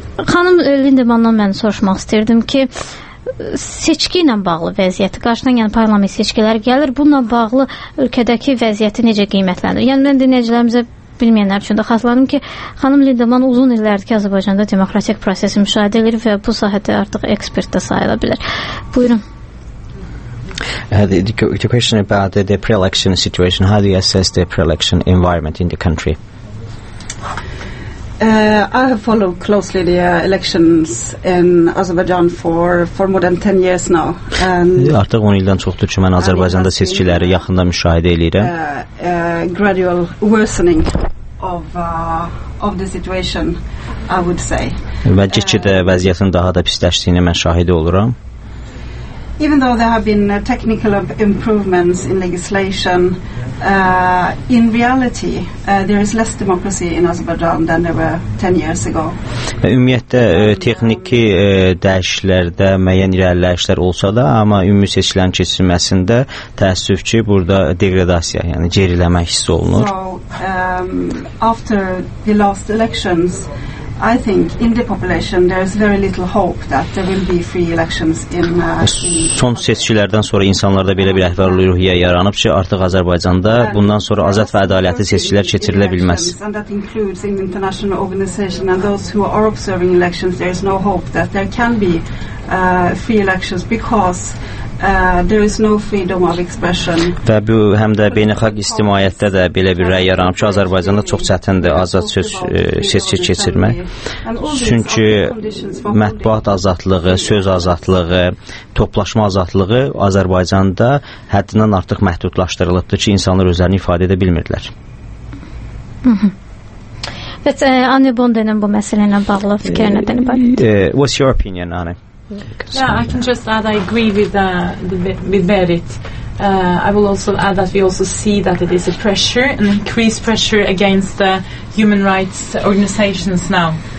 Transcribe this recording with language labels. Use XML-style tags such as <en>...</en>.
<az>Xanım Lindemann-dan mən soruşmaq istəyirdim ki, seçki ilə bağlı vəziyyəti qarşıdan, yəni parlament seçkiləri gəlir, bununla bağlı ölkədəki vəziyyəti necə qiymətləndirir? Yəni, mən dinləyicilərimizə bilməyənlər üçün də xatırladım ki, xanım Lindemann uzun illərdir ki, Azərbaycanda demokratik prosesi müşahidə edilir və bu sahədə artıq ekspert də sayıla bilir. Buyurun.</az> <en>The question about the pre-election situation, how do you assess the pre-election environment in the country? I have followed closely the elections in Azerbaijan for more than 10 years now.</en> <az>Artıq 10 ildən çoxdur ki, mən Azərbaycanda seçkiləri yaxında müşahidə edirəm.</az> <en>Gradual worsening of the situation, I would say.</en> <az>Və getdikcə vəziyyətin daha da pisləşdiyini mən şahid oluram.</az> <en>Even though there have been technical improvements in legislation, in reality, there is less democracy in Azerbaijan than there were 10 years ago.</en> <az>Ümumiyyətlə, texniki dəyişikliklərdə müəyyən irəliləyişlər olsa da, amma ümumi seçkilərin keçirilməsində təəssüf ki, burada deqradasiya, yəni geriləmə hiss olunur.</az> <en>So, after the last elections, I think in the population there is very little hope that there will be free elections in</en> <az>Son seçkilərdən sonra insanlarda belə bir əhval ruhiyyə yaranıb ki, artıq Azərbaycanda bundan sonra azad və ədalətli seçkilər keçirilə bilməz.</az> <en>And that includes in international organization and those who are observing elections, there is no hope that there can be free elections because there is no freedom of expression.</en> <az>Və bu həm də beynəlxalq ictimaiyyətdə də belə bir rəy yaranıb ki, Azərbaycanda çox çətindir azad söz seçki keçirmək. Çünki mətbuat azadlığı, söz azadlığı, toplaşma azadlığı Azərbaycanda həddindən artıq məhdudlaşdırılıbdır ki, insanlar özlərini ifadə edə bilmirlər. Bəs Anne Bondenin bu məsələ ilə bağlı fikri nədən ibarətdir?</az> <en>What's your opinion, Anne? Yeah, I can just add, I agree with Berit. I will also add that we also see that it is a pressure, an increased pressure against the human rights organizations now.</en>